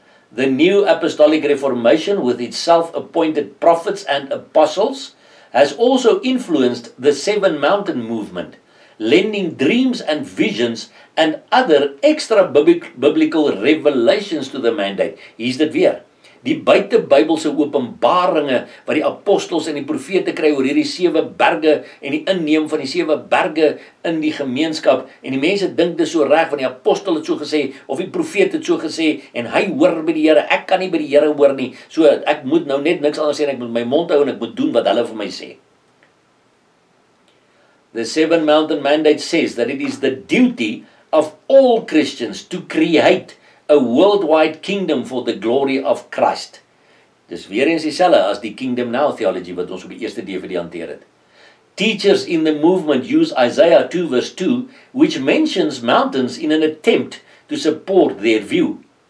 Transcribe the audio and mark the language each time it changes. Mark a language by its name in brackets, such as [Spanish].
[English] The New Apostolic Reformation, with its self-appointed prophets and apostles, has also influenced the Seven Mountain Movement, lending dreams and visions and other extra-biblical revelations to the mandate. [Afrikaans] Hier is dit weer. Die buite-Bybelse openbaringe wat die apostels en die profete kry oor hierdie sewe berge en die inneem van die sewe berge in die gemeenskap, en die mense dink dis so reg, want die apostel het so gesê of die profete het so gesê en hy hoor by die Here, ek kan nie by die Here hoor nie, so ek moet nou net niks anders sê en ek moet my mond hou en ek moet doen wat hulle vir my sê. [English] The Seven Mountain Mandate says that it is the duty of all Christians to create a worldwide kingdom for the glory of Christ. [Afrikaans] Dis weer eens dieselfde as die Kingdom Now theology wat ons op die eerste DVD hanteer het. [English] Teachers in the movement use Isaiah 2 verse 2, which mentions mountains in an attempt to support their view.